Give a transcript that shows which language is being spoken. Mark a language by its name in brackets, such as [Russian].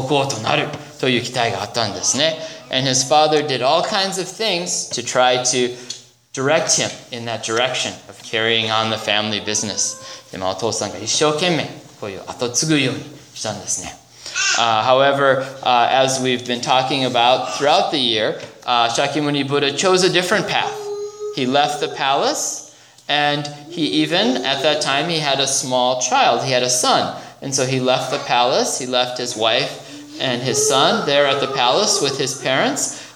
[Japanese] まあ、釈迦様がお父さんが国王だったから、まあ、その国を継いで国王となるという期待があったんですね。 [English] And his father did all kinds of things to try to direct him in that direction of carrying on the family business. [Japanese] でまあ、お父さんが一生懸命こういう後継ぐようにしたんですね。 [English] However, as we've been talking about throughout the year, Shakyamuni Buddha chose a different path. He left the palace, and he even, at that time, he had a small child. He had a son. And so he left the palace. He left his wife and his son there at the palace with his parents.